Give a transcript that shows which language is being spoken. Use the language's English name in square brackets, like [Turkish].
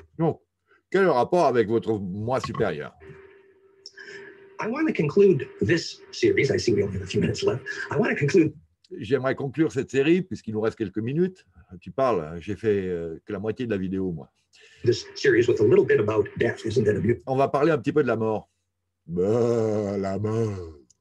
[French] Donc, quel rapport avec votre moi supérieur? [English] I want to conclude this series. I see we only have a few minutes left. I want to conclude. [French] J'aimerais conclure cette série puisqu'il nous reste quelques minutes. Tu parles, j'ai fait que la moitié de la vidéo, moi. [English] This series with a little bit about death, isn't that a beautiful? [French] On va parler un petit peu de la mort. La mort.